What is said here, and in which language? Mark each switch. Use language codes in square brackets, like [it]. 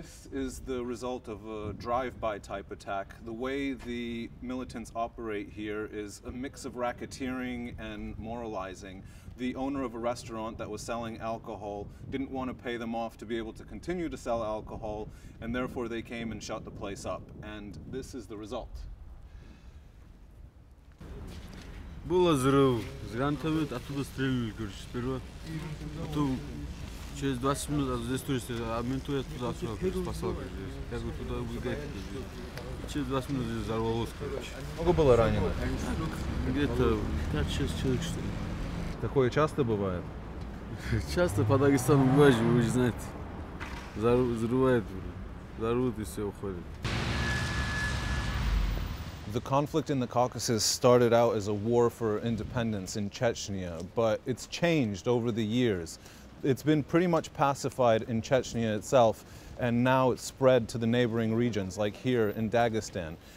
[en] Is the result of a drive-by type attack. The way the militants operate here is a mix of racketeering and moralizing. The owner of a restaurant that was selling alcohol didn't want to pay them off to be able to continue to sell alcohol, and therefore they came and shut the place up. And this is the result. [ru] Было взрыв, гранатомет, оттуда стреляли, короче, сперва. Потом... Через 20 минут здесь туристы, а менту я туда все спасал, здесь. Я говорю, туда убегайте. Через 20 минут здесь взорвалось, короче. Много было ранено? Где-то 5-6 человек, что ли. Такое часто бывает? Часто по Дагестану бывает, вы же знаете. Взрывает, взорвут и все уходит. [en] The conflict in the Caucasus started out as a war for independence in Chechnya, but it's changed over the years. It's been pretty much pacified in Chechnya itself, and now it's spread to the neighboring regions, like here in Dagestan.